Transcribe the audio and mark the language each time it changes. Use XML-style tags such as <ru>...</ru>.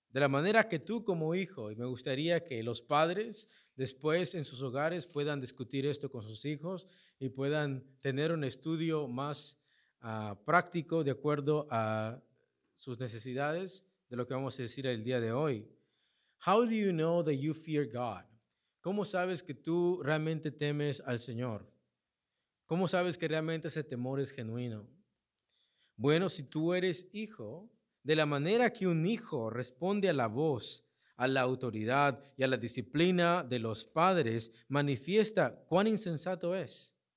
<es>de la manera que tú como hijo, y me gustaría que los padres después en sus hogares puedan discutir esto con sus hijos y puedan tener un estudio más práctico de acuerdo a sus necesidades de lo que vamos a decir el día de hoy.</es> <en>How do you know that you fear God?</en> <es>¿Cómo sabes que tú realmente temes al Señor? ¿Cómo sabes que realmente ese temor es genuino? Bueno, si tú eres hijo, de la manera que un hijo responde a la voz, a la autoridad y a la disciplina de los padres, manifiesta cuán insensato es.</es>